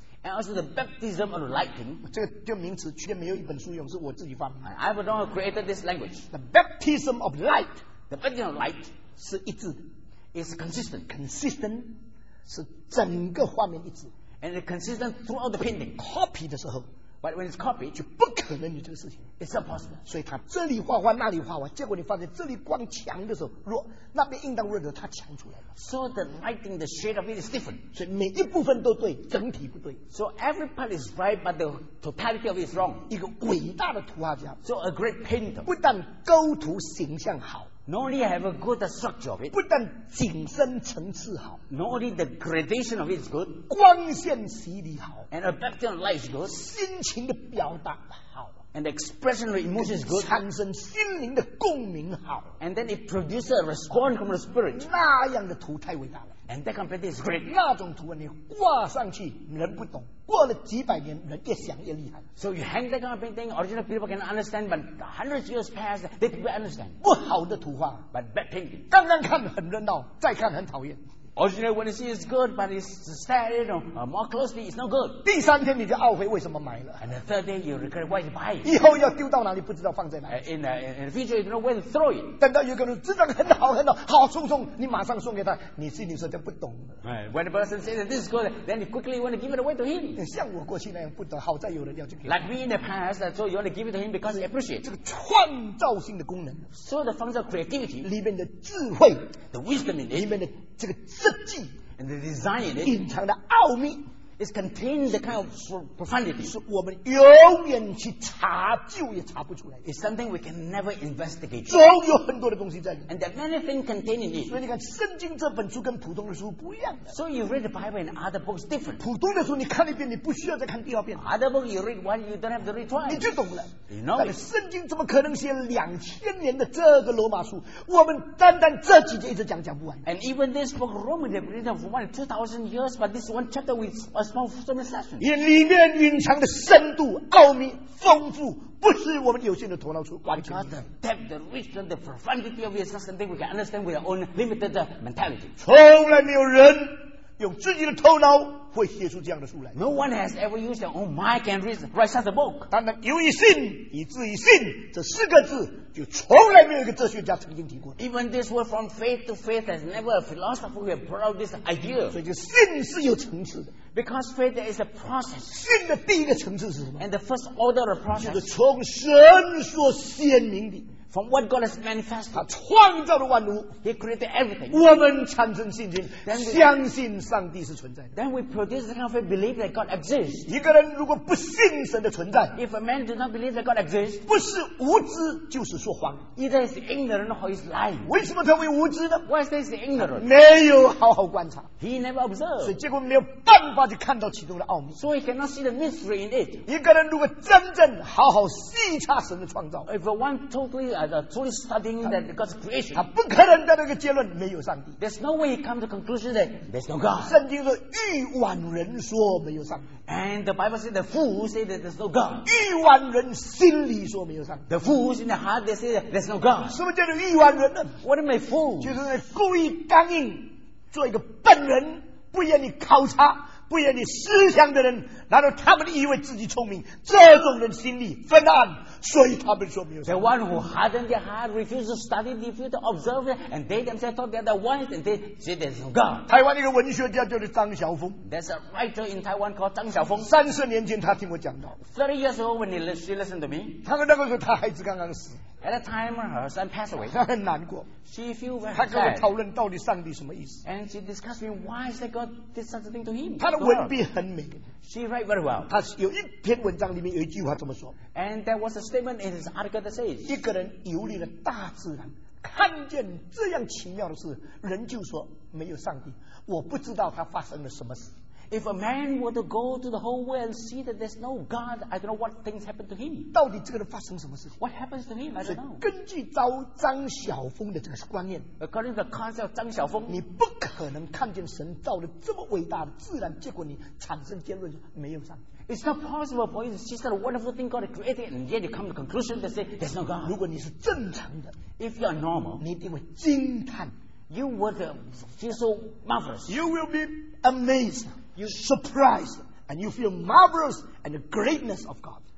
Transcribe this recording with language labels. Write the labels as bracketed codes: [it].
[en] And also the baptism of lighting. [zh] 这个就名词，却没有一本书用，是我自己发明。 [en] I don't have created this language. The baptism of light, the baptism of light [zh] 是一致 [en] is consistent. [zh] Consistent 是整个画面一致 [en] and it's consistent throughout the painting. [zh] Copy 的时候 [en] but when it's copied, [zh] 就不可能有这个事情 [en] It's impossible. [zh] 所以他这里画画，那里画画，结果你发现这里光强的时候弱，那边应当弱的，它强出来了。 [en] So the lighting, the shade of it is different. [zh] 所以每一部分都对，整体不对。 [en] So every part is right, but the totality of it is wrong. [zh] 一个伟大的图画家 [en] So a great painter. [zh] 不但构图形象好 [en] Not only have a good structure of it. [zh] 不但景深层次好 [en] Not only the gradation of it is good. [zh] 光线洗礼好 [en] And a baptism of light is good. [zh] 心情的表达好 [en] And the expression of emotion is good. [zh] 产生心灵的共鸣好 [en] And then it produces a response from the spirit. [zh] 那样的图太伟大了 [en] And that kind of painting is great. [zh] 那种图你挂上去人不懂过了几百年人越想越厉害 [en] So you hang that kind of painting, original people can understand, but hundreds of years pass, they don't understand. [zh] 不好的图画 [en] But bad painting. [zh] 刚刚看很热闹再看很讨厌 [en] Originally when you see it's good, but it's sad, you know, more closely, it's not good. [zh] 第三天你就懊悔为什么买了 [en] And the third day, you regret why you buy it. [zh] 以后要丢到哪里不知道放在哪里 [en] in the future, you don't know where to throw it. [zh] 等到有个人质量很好很好好送送你马上送给他你心里说就不懂了 [en] Right, when the person says that this is good, then you quickly want to give it away to him. [zh] 像我过去那样不懂好在有人要去给 [en] Like me in the past, so you want to give it to him because he appreciates it. [zh] 这个创造性的功能 [en] So the function of creativity, [zh] 里面的智慧 [en] The wisdom in it, [zh] 里面的这个设计 [en] and the design in it, [zh] 隐藏的奥秘 [en] is contained the kind of profundity [zh] 是我们永远去查究也查不出来 [en] is something we can never investigate [zh] 总有很多的东西在里 [en] and there are many things contained in it [zh] 所以你看圣经这本书跟普通的书不一样的 [en] so you read the Bible and other books different [zh] 普通的书你看一遍你不需要再看第二遍 [en] other books you read one you don't have to read twice [zh] 你就懂了 [en] you know [zh] 但是圣经怎么可能写两千年的这个罗马书我们单单这几节一直讲讲不完 [en] and even this book Romans they've written for 2,000 years but this one chapter with a small session [zh] 也里面隐藏的深度奥秘丰富不是我们有限的头脑所完全的 [en] depth, the richness, the profundity of it is something we can understand with our own limited mentality [zh] 从来没有人用自己的头脑会写出这样的书来 [en] No one has ever used their own mind can write such a book [zh] 当然由于信以至于信这四个字就从来没有一个哲学家曾经提过 [en] Even this word from faith to faith has never a philosopher who brought out this idea [zh] 所以就信是有层次的 [en] Because faith is a process [zh] 信的第一个层次是什么 [en] And the first order of process [zh] 就是从神所显明的 [en] From what God has manifested [zh] 他创造了万物 [en] He created everything [zh] 我们产生信心 [en] then we, [zh] 相信上帝是存在的 [en] Then we produce the kind of belief that God exists [zh] 一个人如果不信神的存在 [en] If a man does not believe that God exists [zh] 不是无知就是说谎 [en] Either he's ignorant or he's lying [zh] 为什么他会无知呢 [en] Why is this ignorant [zh] 没有好好观察 [en] He never observed [zh] 所以结果没有办法去看到其中的奥秘 [en] So he cannot see the mystery in it [zh] 一个人如果真正好好细察神的创造 [en] If one totally truly studying that God's creation [zh] 他不可能得到一个结论没有上帝 [en] There's no way he comes to the conclusion that there's no God [zh] 圣经说愚妄人说没有上帝 [en] And the Bible says the fools say that there's no God [zh] 愚妄人心里说没有上帝 [en] The fools in the heart they say that there's no God [zh] 什么叫做愚妄人呢 [en] What am I fool [zh] 就是在故意刚硬做一个笨人不愿意考察不愿意思想的人然后他们以为自己聪明这种人心里昏暗所以他们说没有上帝 [en] The one who hardened their heart refused to study refused to observe it, and they themselves thought they're the ones and they said there's no God [zh] 台湾一个文学家叫做张晓峰 [en] There's a writer in Taiwan called 张晓峰 [zh] 三十年前他听我讲到 [en] 30 years old when she listened to me [zh] 他说那个时候他孩子刚刚死 [en] At the time her son passed away [zh] 他很难过 [en] She feel very [zh] 他跟我讨论到底上帝什么意思 [en] And she discussed with me why is that God did such a thing to him [zh] 他的文笔很美 [en] She write very well [zh] 他有一篇文章里面有一句话这么说 [en] And there was a statement in his article that says [zh] 一个人游历了大自然看见这样奇妙的事人就说没有上帝我不知道他发生了什么事 [en] If a man were to go to the whole world and see that there's no God I don't know what things happened to him [zh] 到底这个人发生什么事 [en] What happens to him? I don't know [zh] 根据张晓峰的这个观念 [en] According to the concept of 张晓峰 [zh] 你不可能看见神造了这么伟大的自然结果你产生结论没有上帝 [en] It's not possible for you to see such a wonderful thing God created and yet you come to the conclusion to say there's no God. [zh] 如果你是正常的 [en] If you're normal, [zh] 你一定会惊叹 [en] You would feel so marvelous. You will be amazed, you surprised, and you feel marvelous and the greatness of God.